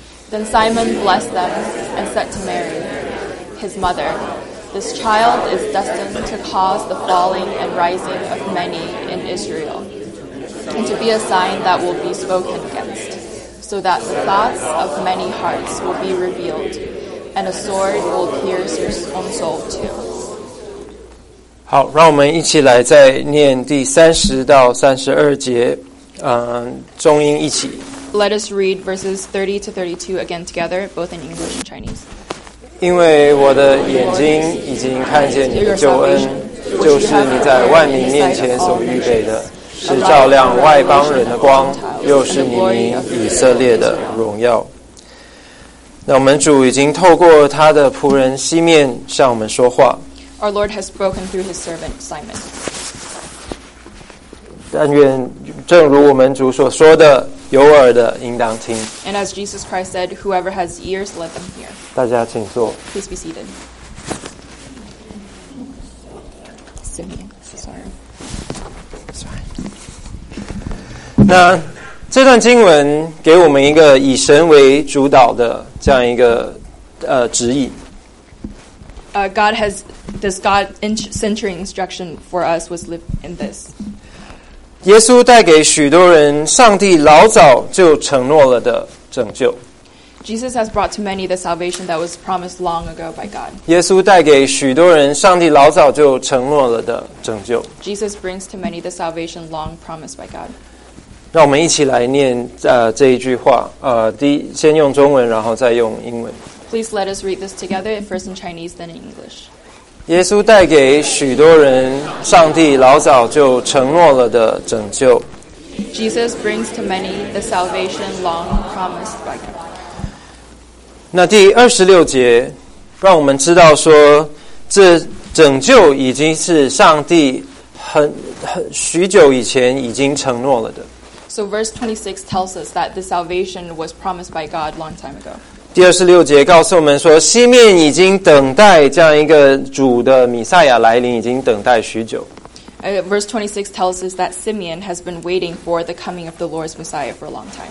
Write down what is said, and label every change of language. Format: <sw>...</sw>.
<en>Then Simon blessed them and said to Mary, his mother, This child is destined to cause the falling and rising of many in Israel, and to be a sign that will be spoken against, so that the thoughts of many hearts will be revealed, and a sword will pierce your own soul too.</en> <zh>好，让我们一起来再念第三十到三十二节，中英一起。</zh> <en>Let us read verses 30 to 32 again together, both in English and Chinese.</en> <zh>因为我的眼睛已经看见你的救恩，就是你在万民面前所预备的，是照亮外邦人的光，又是你名以色列的荣耀。那我们主已经透过他的仆人西面向我们说话。</zh> <en>Our Lord has spoken through his servant Simon.</en> <zh>但愿正如我们主所说的，有耳的应当听。</zh> <en>And as Jesus Christ said, whoever has ears, let them hear.</en> <zh>大家请坐。</zh> <en>Please be seated. Simeon, sorry.</en> <zh>那这段经文给我们一个以神为主导的这样一个指引。</zh> <en>God has this God centering instruction for us was live in this.</en> <zh>耶稣带给许多人上帝老早就承诺了的拯救。</zh> <en>Jesus has brought to many the salvation that was promised long ago by God.</en> <zh>耶稣带给许多人上帝老早就承诺了的拯救。</zh> <en>Jesus brings to many the salvation long promised by God.</en> <zh>让我们一起来念这一句话，先用中文，然后再用英文。</zh> <en>Please let us read this together, first in Chinese, then in English.</en> <zh>耶稣带给许多人上帝老早就承诺了的拯救。</zh> <en>Jesus brings to many the salvation long promised by God.</en> <zh>那第二十六节，让我们知道说，这拯救已经是上帝许久以前已经承诺了的。</zh> <en>So verse 26 tells us that the salvation was promised by God long time ago.</en> <zh>第二十六节告诉我们说，西面已经等待这样一个主的弥赛亚来临，已经等待许久。</zh> <en>Verse 26 tells us that Simeon has been waiting for the coming of the Lord's Messiah for a long time.</en>